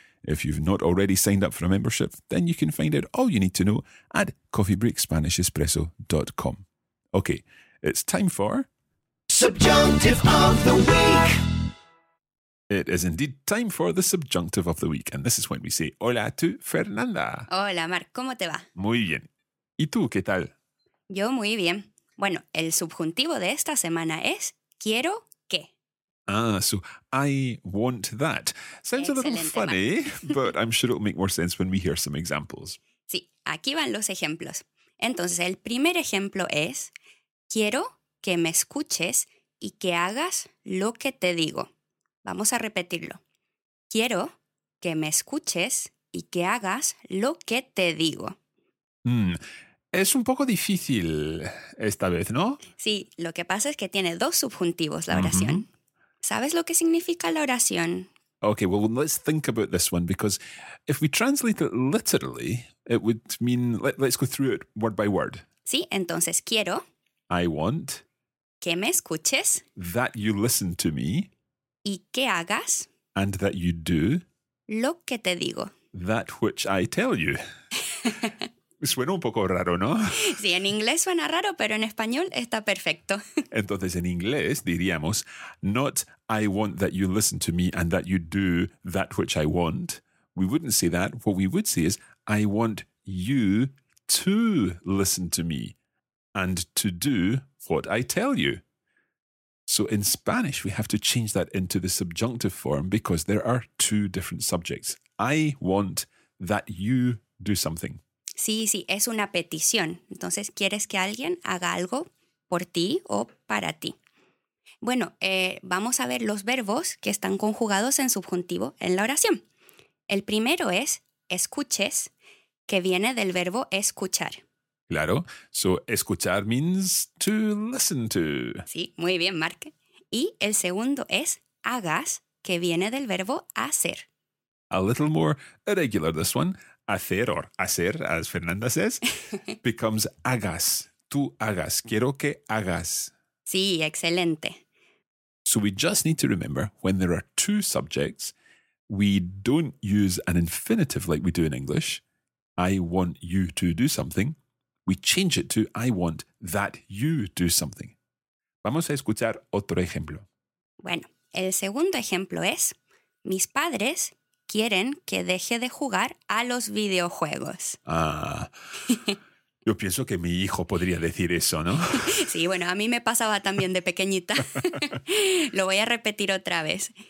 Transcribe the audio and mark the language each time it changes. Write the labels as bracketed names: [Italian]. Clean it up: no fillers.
[English] If you've not already signed up for a membership, then you can find out all you need to know at coffeebreakspanishespresso.com. Okay, it's time for... Subjunctive of the Week! It is indeed time for the subjunctive of the week, and this is when we say hola to Fernanda. [Spanish] Hola, Mark, ¿cómo te va? Muy bien. ¿Y tú, qué tal? Yo muy bien. Bueno, el subjuntivo de esta semana es quiero que. [English] Ah, so I want that. Sounds excellent, a little funny, but I'm sure it'll make more sense when we hear some examples. [Spanish] Sí, aquí van los ejemplos. Entonces, el primer ejemplo es quiero que me escuches y que hagas lo que te digo. Vamos a repetirlo. Quiero que me escuches y que hagas lo que te digo. Es un poco difícil esta vez, ¿no? Sí, lo que pasa es que tiene dos subjuntivos la oración. ¿Sabes lo que significa la oración? [English] Okay, well, let's think about this one, because if we translate it literally, it would mean, let's go through it word by word. [Spanish] Sí, entonces quiero. [English] I want. [Spanish] Que me escuches. [English] That you listen to me. [Spanish] Y que hagas. [English] And that you do. [Spanish] Lo que te digo. [English] That which I tell you. [Spanish] Suena un poco raro, ¿no? Sí, en inglés suena raro, pero en español está perfecto. Entonces, en inglés diríamos, [English] not I want that you listen to me and that you do that which I want. We wouldn't say that. What we would say is, I want you to listen to me and to do what I tell you. So in Spanish, we have to change that into the subjunctive form because there are two different subjects. I want that you do something. [Spanish] Sí, sí, es una petición. Entonces, ¿quieres que alguien haga algo por ti o para ti? Bueno, vamos a ver los verbos que están conjugados en subjuntivo en la oración. El primero es escuches, que viene del verbo escuchar. [English] Claro. So, escuchar means to listen to. [Spanish] Sí, muy bien, Mark. Y el segundo es hagas, que viene del verbo hacer. [English] A little more irregular, this one. Hacer or hacer, as Fernanda says, becomes hagas. Tú hagas. [Spanish] Quiero que hagas. Sí, excelente. [English] So, we just need to remember when there are two subjects, we don't use an infinitive like we do in English. I want you to do something. We change it to, I want that you do something. [Spanish] Vamos a escuchar otro ejemplo. Bueno, el segundo ejemplo es, mis padres quieren que deje de jugar a los videojuegos. Ah, yo pienso que mi hijo podría decir eso, ¿no? Sí, bueno, a mí me pasaba también de pequeñita. Lo voy a repetir otra vez.